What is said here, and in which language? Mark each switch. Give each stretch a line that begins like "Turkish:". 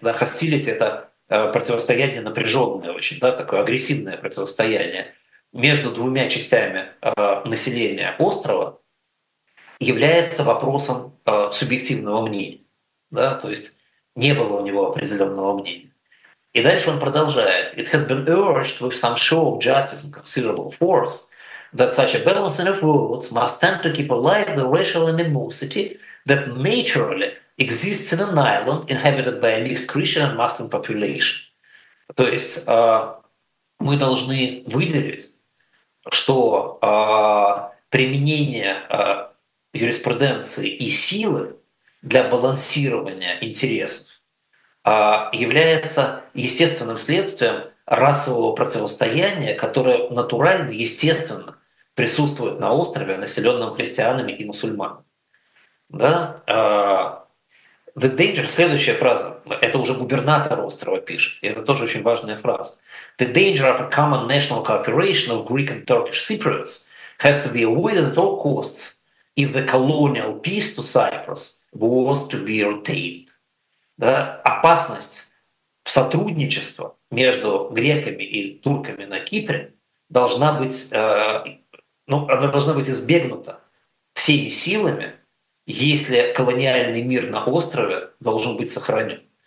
Russian: Да, «Hostility» — это противостояние напряженное очень, да, такое агрессивное противостояние между двумя частями населения острова является вопросом субъективного мнения. Да, то есть не было у него определенного мнения. И дальше он продолжает.
English: «It has been urged with some show of justice and considerable force that such a balancing of votes must tend to keep alive the racial animosity that naturally exists in an island inhabited by a mixed Christian and Muslim population».
Russian: То есть мы должны выделить, что применение юриспруденции и силы для балансирования интересов является естественным следствием расового противостояния, которое натурально, естественно, присутствует на острове, населенном христианами и мусульманами. Да?
English: The danger,
Russian: следующая фраза, это уже губернатор острова пишет, и это тоже очень важная фраза.
English: The danger of a common national cooperation of Greek and Turkish Cypriots has to be avoided at all costs if the colonial peace to Cyprus was to be retained.
Russian: Да? Опасность сотрудничества между греками и турками на Кипре должна быть... Но она должна быть избегнута всеми силами, если колониальный мир на острове должен быть сохранен.